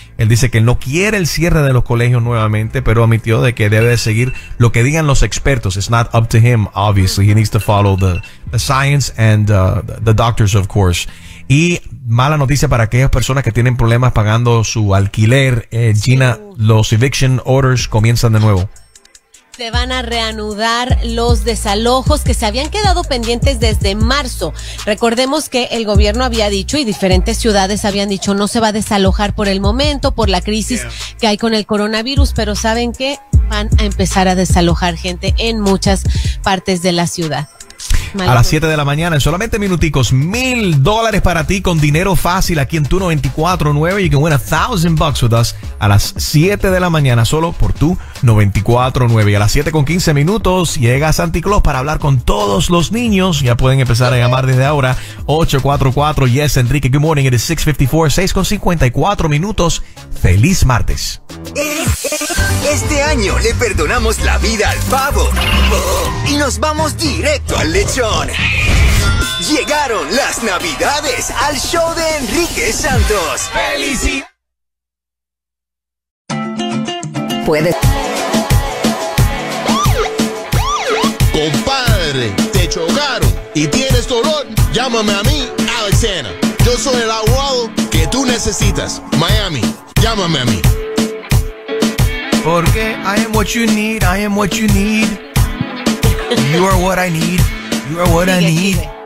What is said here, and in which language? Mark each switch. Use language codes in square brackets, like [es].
[es] Él dice que no quiere el cierre de los colegios nuevamente, pero admitió de que debe de seguir lo que digan los expertos. [en] It's not up to him, obviously. He needs to follow the science and the doctors, of course. [es] Y mala noticia para aquellas personas que tienen problemas pagando su alquiler. Gina, los eviction orders comienzan de nuevo. Se van a reanudar los desalojos que se habían quedado pendientes desde marzo. Recordemos que el gobierno había dicho, y diferentes ciudades habían dicho, no se va a desalojar por el momento, por la crisis que hay con el coronavirus, pero ¿saben qué? Van a empezar a desalojar gente en muchas partes de la ciudad. A las 7 de la mañana, en solamente minuticos, $1,000 para ti con dinero fácil aquí en tu 94.9. [en] You can win $1,000 with us [es] a las 7 de la mañana, solo por tu 94.9. Y a las 7:15 llega Santa Claus para hablar con todos los niños. Ya pueden empezar a llamar desde ahora. [en] 844, yes, Enrique, good morning, it is 6:54, 6:54. [es] Feliz martes. Este año le perdonamos la vida al pavo y nos vamos directo al lechón. Llegaron las Navidades al show de Enrique Santos. Puedes. Compadre, te chocaron y tienes dolor. Llámame a mí, Alex Sena. Yo soy el abogado que tú necesitas. Miami, llámame a mí. Porque [en] I am what you need, I am what you need. You are what I need, you are what I need.